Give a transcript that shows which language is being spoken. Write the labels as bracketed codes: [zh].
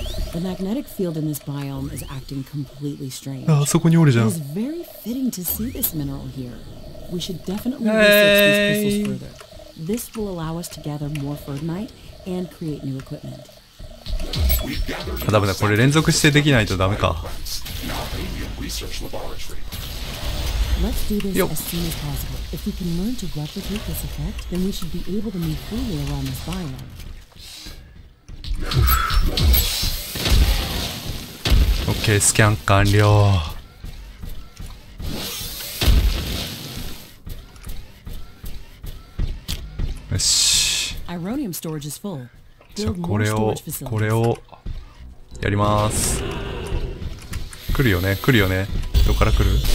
[en] The magnetic field in this biome is acting completely strange. [ja] あ、そこにおるじゃん。 [en] It's very fitting to see this mineral here. We should definitely research these crystals further. This will allow us to gather more fernite and create new equipment. [ja] あ、ダメだ。これ連続してできないとダメか。 [en] Let's do this as soon as possible. If we can learn to replicate this effect, then we should be able to move freely around this biome. [ja] オッケー、スキャン完了。よし。 [en] アロニウムストレージ is full。 [ja] じゃあこれをやります。来るよね、来るよね。どこから来る？